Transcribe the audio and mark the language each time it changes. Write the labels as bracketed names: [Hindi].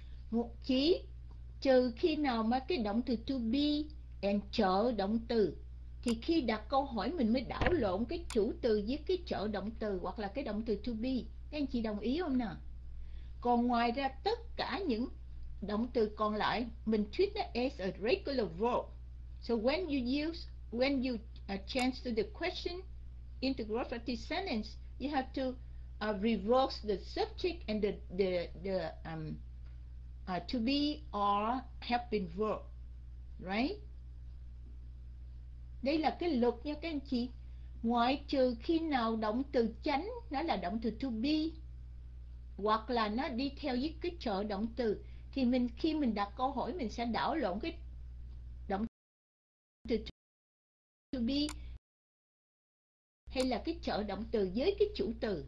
[Vietnamese] Một chỉ trừ khi nào mà cái động từ to be and trợ động từ thì khi đặt câu hỏi mình mới đảo lộn cái chủ từ với cái trợ động từ hoặc là cái động từ to be. Anh chị đồng ý không nào? Còn ngoài ra tất cả những động từ còn lại mình [English] treat it as a regular verb. So when you use, when you change to the question into grammatical sentence, you have to reverse the subject and the to be or have been verb, right? [Vietnamese] Đây là cái luật nha các anh chị. Ngoại trừ khi nào động từ chánh nó là động từ to be, hoặc là nó đi theo với cái trợ động từ, thì mình khi mình đặt câu hỏi mình sẽ đảo lộn cái động từ to be hay là cái trợ động từ với cái chủ từ.